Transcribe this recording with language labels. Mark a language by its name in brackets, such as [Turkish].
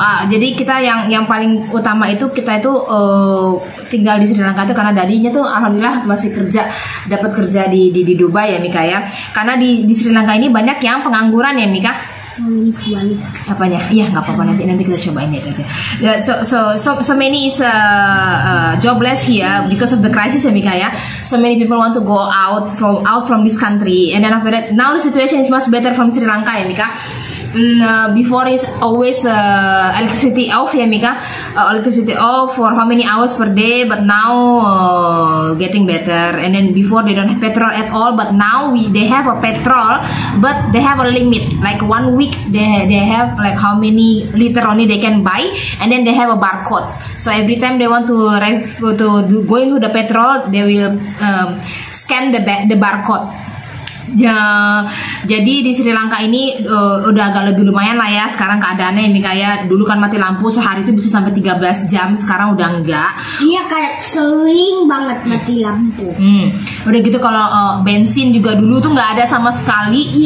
[Indonesian] Jadi kita yang paling utama itu kita itu tinggal di Sri Lanka itu karena dadinya tuh alhamdulillah masih kerja, dapat kerja di Dubai ya Mika ya. Karena di Sri Lanka ini banyak yang pengangguran ya Mika. Balik. Apanya? Iya, enggak apa-apa, nanti kita cobain aja. [English] So many is jobless here because of the crisis ya Mika ya. So many people want to go out from this country and then after that now the situation is much better from Sri Lanka ya Mika. Before is always electricity off ya Mika, electricity off for how many hours per day, but now getting better. And then before they don't have petrol at all, but now they have a petrol, but they have a limit, like 1 week they have like how many liter only they can buy, and then they have a barcode. So every time they want to arrive to going to the petrol, they will scan the barcode. [Indonesian] Ya, jadi di Sri Lanka ini udah agak lebih lumayan lah ya sekarang keadaannya ini kayak dulu kan mati lampu sehari itu bisa sampai 13 jam, sekarang udah enggak. Iya, kayak sering banget mati lampu. Udah gitu kalau bensin juga dulu tuh enggak ada sama sekali.